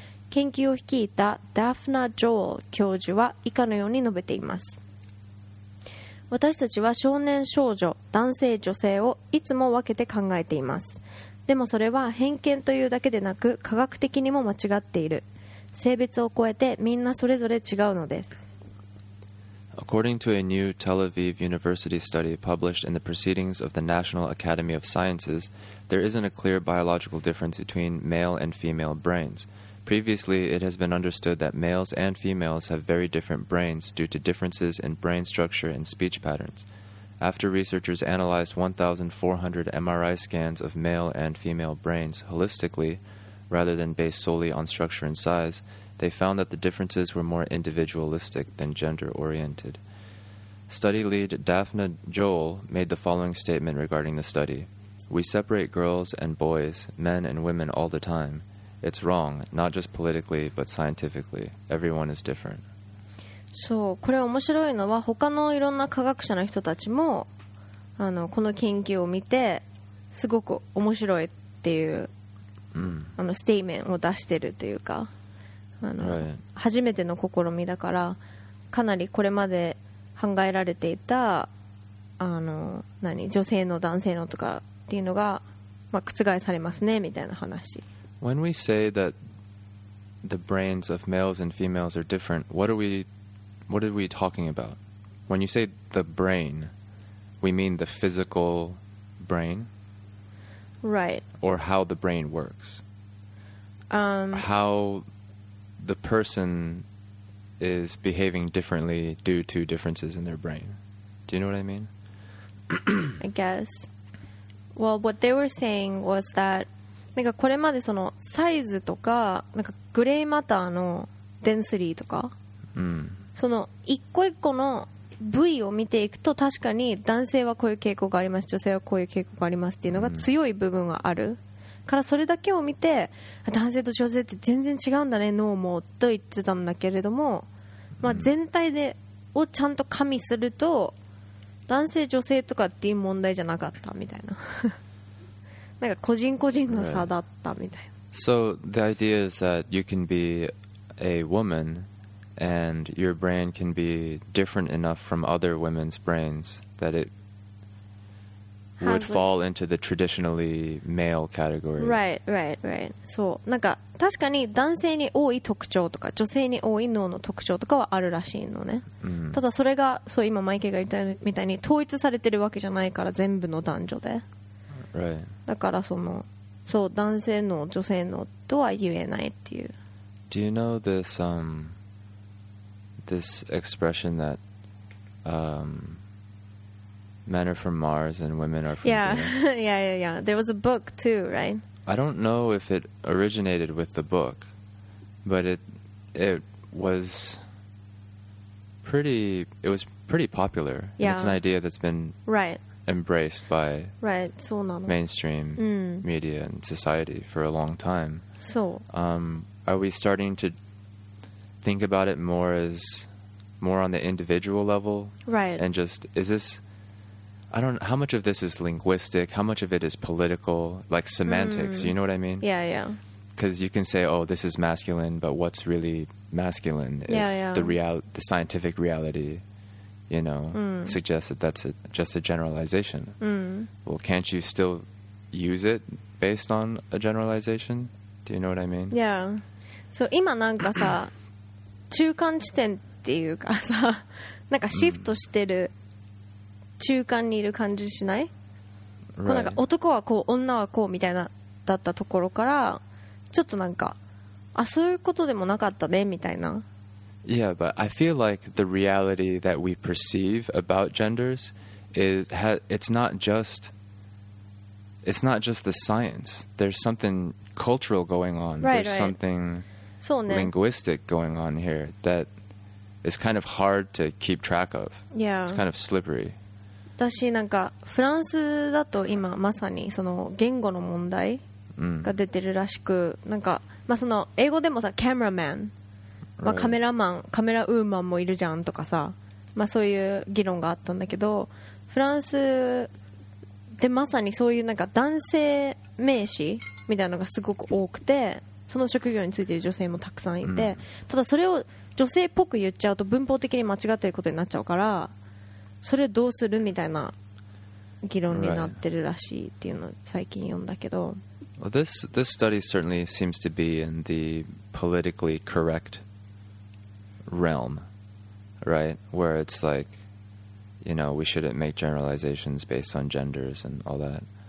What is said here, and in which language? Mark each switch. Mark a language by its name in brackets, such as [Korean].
[Japanese] 研究を率いたダフナ・ジョー教授は以下のように述べています。私たちは少年少女、男性女性をいつも分けて考えています。でもそれは偏見というだけでなく、科学的にも間違っている。性別を超えてみんなそれぞれ違うのです。 [English] According to a new Tel Aviv University study published in the proceedings of the National Academy of Sciences, there isn't a clear biological difference between male and female brains. Previously, it has been understood that males and females have very different brains due to differences in brain structure and speech patterns. After researchers analyzed 1,400 MRI scans of male and female brains holistically,rather than based solely on structure and size, they found that the differences were more individualistic than gender-oriented. Study lead Daphna Joel made the following statement regarding the study. We separate girls and boys, men and women all the time. It's wrong, not just politically, but scientifically. Everyone is different. [Japanese] そう、これ面白いのは、他のいろんな科学者の人たちも、この研究を見て、すごく面白いっていう、ステイメンを出してるというか、 [English] right. [Japanese] 初めての試みだから、かなりこれまで考えられていた女性の男性のとかっていうのが、覆されますねみたいな話。 [English] When we say that the brains of males and females are different, what are we talking about? When you say the brain, we mean the physical brain? Right. Or how the brain works. How the person is behaving differently due to differences in their brain. Do you know what I mean? I guess. Well, what they were saying was that, [Japanese] なんかこれまでそのサイズとか、なんかグレーマターのデンシティとか、その一個一個の部位を見ていくと、確かに男性はこういう傾向があります、女性はこういう傾向がありますっていうのが強い部分がある、からそれだけを見て男性と女性って全然違うんだね脳もと言ってたんだけれども、全体でをちゃんと加味すると、男性女性とかっていう問題じゃなかったみたいななんか個人個人の差だったみたいな、 [English] So the idea is that you can be a womanAnd your brain can be different enough from other women's brains that it would fall into the traditionally male category. Right, right, right. [Japanese] そう、なんか確かに男性に多い特徴とか女性に多い脳の特徴とかはあるらしいのね。ただそれが、そう、今マイケルが言ったみたいに統一されてるわけじゃないから、全部の男女で。 [English] Right. [Japanese] だからそう男性の女性のとは言えないっていう。 [English] Do you know this this expression that men are from Mars and women are from Venus? Yeah, yeah, yeah. There was a book too, right? I don't know if it originated with the book, but it was pretty popular. Yeah. It's an idea that's been embraced by mainstream media and society for a long time. So, are we starting to think about it more as more on the individual level, right? And just, is this, I don't know, how much of this is linguistic, how much of it is political, like semantics, you know what I mean? Yeah, because you can say, oh, this is masculine, but what's really masculine? The scientific reality, you know, suggests that that's just a generalization. Well, can't you still use it based on a generalization? Do you know what I mean? Yeah, so [Japanese] 今なんかさ中間地点っていうかさ、なんかシフトしてる中間にいる感じしない、 [English] right. [Japanese] こうなんか男はこう、女はこうみたいなだったところから、ちょっとなんかあ、そういうことでもなかったねみたいな。 [English] Yeah, but I feel like the reality that we perceive about genders is it's not just the science. There's something cultural going on. Right, There's something linguistic going on here that is kind of hard to keep track of. Yeah. It's kind of slippery. [Japanese] 私なんかフランスだと今まさにその言語の問題が出てるらしく、なんかまあその英語でもさ、カメラマン、まあ、カメラマン、カメラウーマンもいるじゃんとかさ、まあ、そういう議論があったんだけど、フランスでまさにそういうなんか男性名詞みたいなのがすごく多くて、その職業についている女性もたくさんいて、ただそれを女性っぽく言っちゃうと文法的に間違ってることになっちゃうから、それどうするみたいな議論になってるらしいっていうのを最近読んだけど、 [English] Well, this study certainly seems to be in the politically correct realm, right? Where it's like, you know, we shouldn't make generalizations based on genders and all that.